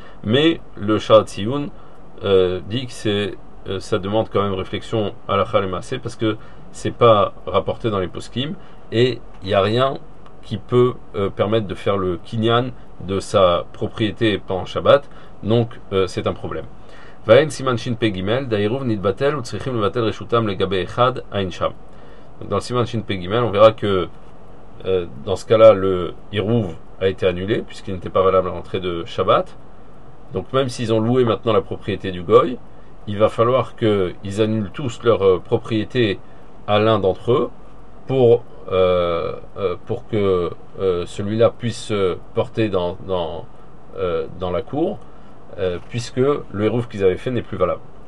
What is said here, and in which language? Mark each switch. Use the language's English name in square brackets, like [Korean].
[French] Mais le Sharatzion dit que ça demande quand même réflexion à la Chalemassé parce que c'est pas rapporté dans les poskim. Et il n'y a rien qui peut permettre de faire le kinyan de sa propriété pendant Shabbat, donc c'est un problème. [Hebrew] ואין סימן שפג, דהעירוב נתבטל וצריכים לבטל רשותם לגבי אחד, אין שם. [French] Dans le siman shin pei gimel, on verra que dans ce cas-là, le hirouv a été annulé puisqu'il n'était pas valable à l'entrée de Shabbat. Donc même s'ils ont loué maintenant la propriété du goy, il va falloir qu'ils annulent tous leur propriété à l'un d'entre eux pour que celui-là puisse se porter dans la cour, puisque le hirouv qu'ils avaient fait n'est plus valable.